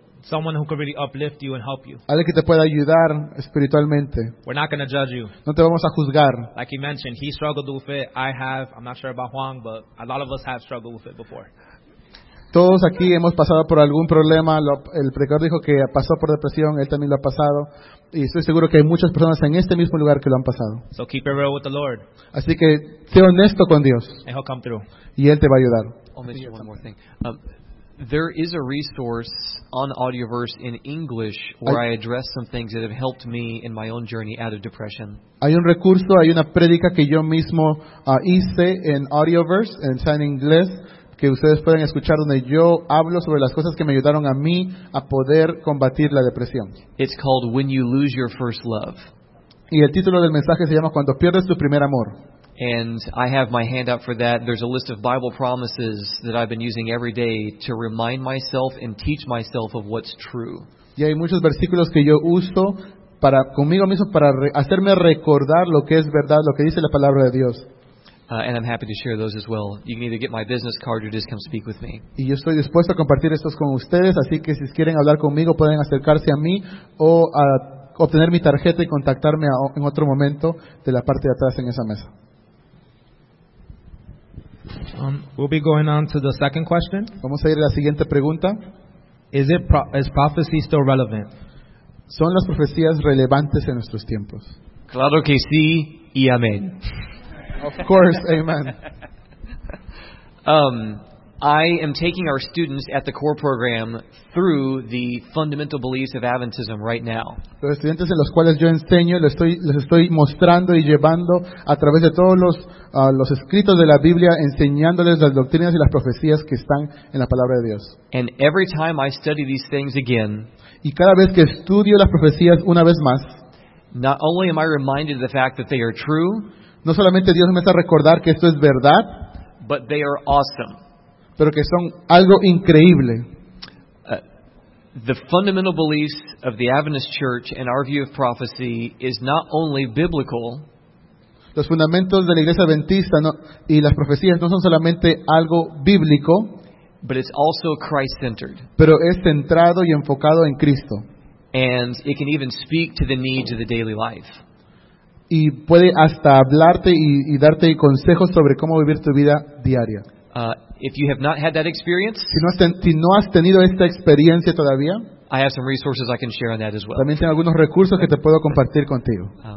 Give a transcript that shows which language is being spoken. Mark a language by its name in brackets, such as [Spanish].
[English] Someone who could really uplift you and help you. [Spanish] Alguien que te pueda ayudar espiritualmente. [English] We're not going to judge you. [Spanish] No te vamos a juzgar. [English] Like he mentioned, he struggled with it. I'm not sure about Juan, but a lot of us have struggled with it before. [Spanish] Todos aquí hemos pasado por algún problema. El predicador dijo que pasó por depresión. Él también lo ha pasado. Y estoy seguro que hay muchas personas en este mismo lugar que lo han pasado. [English] So keep it real with the Lord. [Spanish] Así que, sé honesto con Dios. [English] And he'll come through. [Spanish] Y Él te va a ayudar. [English] There is a resource on Audioverse in English where I address some things that have helped me in my own journey out of depression. [Spanish] Hay un recurso, hay una prédica que yo mismo hice en Audioverse, en inglés, que ustedes pueden escuchar, donde yo hablo sobre las cosas que me ayudaron a mí a poder combatir la depresión. [English] It's called When You Lose Your First Love. [Spanish] Y el título del mensaje se llama Cuando Pierdes Tu Primer Amor. [English] And I have my hand up for that. There's a list of Bible promises that I've been using every day to remind myself and teach myself of what's true. [Spanish] Y hay muchos versículos que yo uso para conmigo mismo para hacerme recordar lo que es verdad, lo que dice la palabra de Dios. [English] And I'm happy to share those as well. You can either get my business card or just come speak with me. [Spanish] Y yo estoy dispuesto a compartir estos con ustedes, así que si quieren hablar conmigo pueden acercarse a mí o a obtener mi tarjeta y contactarme en otro momento de la parte de atrás en esa mesa. [English] We'll be going on to the second question. [Spanish] Vamos a ir a la siguiente pregunta. [English] Is prophecy still relevant? [Spanish] ¿Son las profecías relevantes en nuestros tiempos? Claro que sí y amén. [English] Of course, amen. I am taking our students at the core program through the fundamental beliefs of Adventism right now. [Spanish] Los estudiantes en los cuales yo enseño les estoy mostrando y llevando a través de todos los escritos de la Biblia, enseñándoles las doctrinas y las profecías que están en la palabra de Dios. [English] And every time I study these things again, [Spanish] y cada vez que estudio las profecías una vez más, [English] not only am I reminded of the fact that they are true. [Spanish] No solamente Dios me hace recordar que esto es verdad, [English] but they are awesome. [Spanish] Pero que son algo increíble. [English] The fundamental beliefs of the Adventist Church and our view of prophecy is not only biblical. [Spanish] Los fundamentos de la Iglesia Adventista y las profecías no son solamente algo bíblico, [English] but it's also Christ-centered. [Spanish] Pero es centrado y enfocado en Cristo. [English] And it can even speak to the needs of the daily life. [Spanish] Y puede hasta hablarte y darte consejos sobre cómo vivir tu vida diaria. [English] If you have not had that experience, [Spanish] si no has tenido esta experiencia todavía, [English] I have some resources I can share on that as well. [Spanish] También tengo algunos recursos que te puedo compartir contigo.